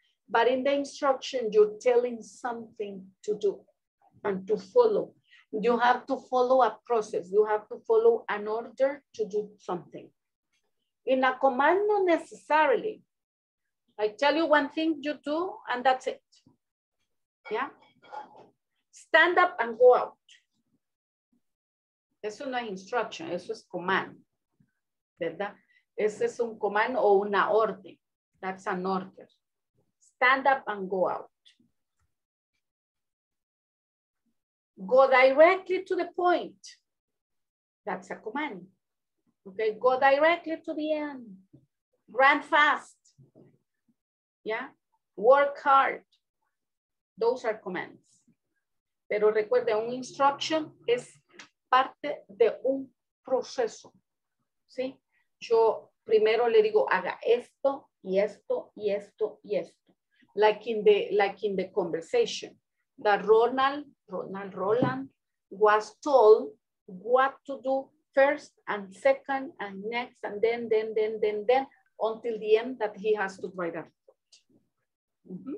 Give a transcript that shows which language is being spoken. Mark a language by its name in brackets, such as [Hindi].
[English] But in the instruction, you're telling something to do and to follow. You have to follow a process. You have to follow an order to do something. In a command, not necessarily. I tell you one thing, you do, and that's it, yeah? Stand up and go out. [Spanish] Eso no es instruction, eso es command, ¿verdad? Ese es un comando o una orden. [English] That's an order. Stand up and go out. Go directly to the point. That's a command. Okay, go directly to the end. Run fast. Yeah, work hard. Those are commands. [Spanish] Pero recuerde, un instruction es parte de un proceso. ¿Sí? Yo primero le digo, haga esto, y esto, y esto, y esto. [English] Like in the conversation, that Roland was told what to do first and second and next and then, until the end that he has to write a report.